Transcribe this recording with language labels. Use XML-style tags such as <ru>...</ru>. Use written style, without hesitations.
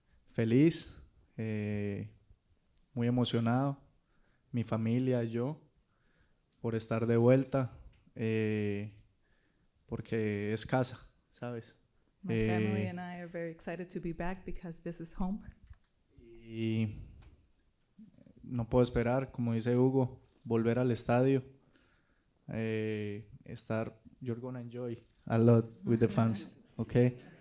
<es>Feliz, muy emocionado, mi familia, yo, por estar de vuelta, porque es casa, ¿sabes?</es> <en>My family and I are very excited to be back because this is home.</en> <es>Y no puedo esperar, como dice Hugo, volver al estadio.</es> <en>You're gonna enjoy a lot with the fans, okay?</en>